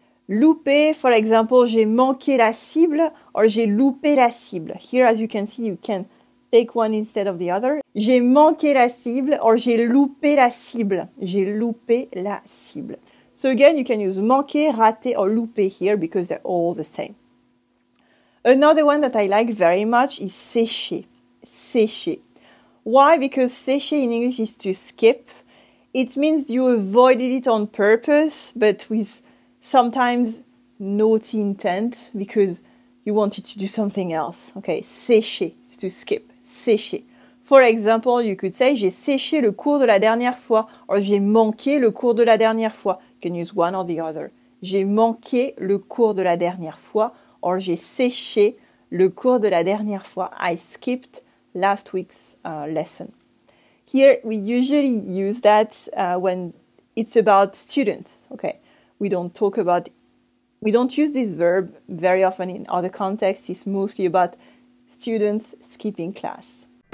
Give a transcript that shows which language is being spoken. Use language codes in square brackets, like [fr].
[fr] Louper, [en] for example, [fr] j'ai manqué la cible or j'ai loupé la cible. [en] Here, as you can see, you can take one instead of the other. [fr] J'ai manqué la cible or j'ai loupé la cible. J'ai loupé la cible. [en] So again, you can use manquer, rater, or louper here because they're all the same. Another one that I like very much is sécher. Sécher. Why? Because sécher in English is to skip. It means you avoided it on purpose, but with sometimes naughty intent because you wanted to do something else. Okay, sécher is to skip. Sécher. For example, you could say [fr] j'ai séché le cours de la dernière fois or j'ai manqué le cours de la dernière fois. [en] Can use one or the other. [fr] J'ai manqué le cours de la dernière fois or j'ai séché le cours de la dernière fois. [en] I skipped last week's lesson. Here we usually use that when it's about students, okay? We don't talk about We don't use this verb very often in other contexts. It's mostly about students skipping class.